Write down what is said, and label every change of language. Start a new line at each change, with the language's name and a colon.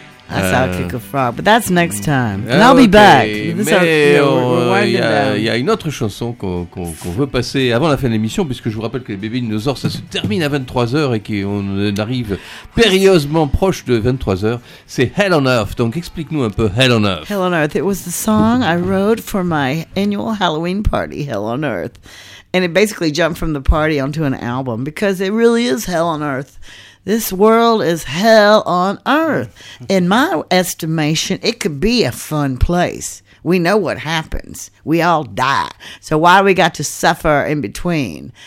English: I saw Kick a Frog, but that's next time. And I'll be back.
French: Mais il y a une autre chanson qu'on veut passer avant la fin de l'émission, puisque je vous rappelle que les bébés dinosaures, ça se termine à 23h et qu'on arrive périlleusement proche de 23h. C'est Hell on Earth. Donc explique-nous un peu Hell on Earth.
English: Hell on Earth. It was the song I wrote for my annual Halloween party, Hell on Earth. And it basically jumped from the party onto an album because it really is hell on earth. This world is hell on earth. In my estimation, it could be a fun place. We know what happens. We all die. So why do we got to suffer in between?